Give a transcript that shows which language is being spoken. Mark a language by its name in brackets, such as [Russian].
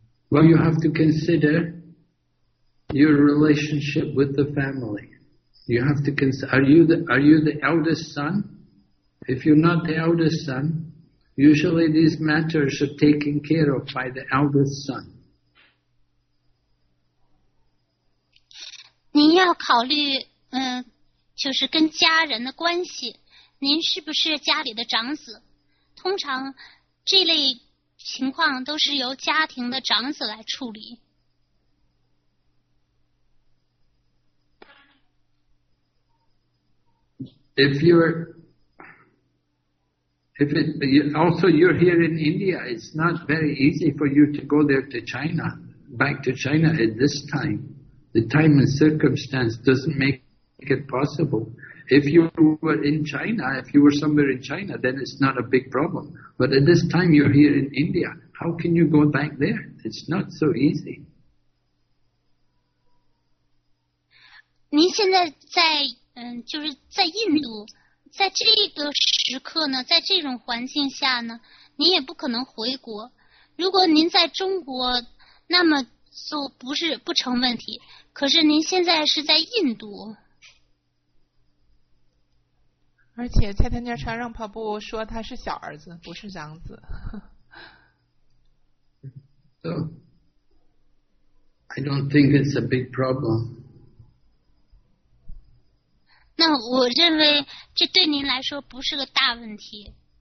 [English] Well, you have to consider your relationship with the family. You have to consider, are you the eldest son? If you're not the eldest son, usually these matters are taken care of by the eldest son. [Chinese] 您要考虑，就是跟家人的关系，您是不是家里的长子？通常这类情况都是由家庭的长子来处理。 [English] If you're here in India, it's not very easy for you to go there to China, back to China at this time. The time and circumstance doesn't make make it possible. If you were in China, if you were somewhere in China, then it's not a big problem. But at this time you're here in India, how can you go back there? It's not so easy. [Chinese] 您现在在就是在印度，在这个时刻呢，在这种环境下呢，您也不可能回国。如果您在中国，那么就不是不成问题。可是您现在是在印度，而且蔡坦加川让帕布说他是小儿子，不是长子。 [English] So, I don't think it's a big problem. [Chinese] 那我认为这对您来说不是个大问题。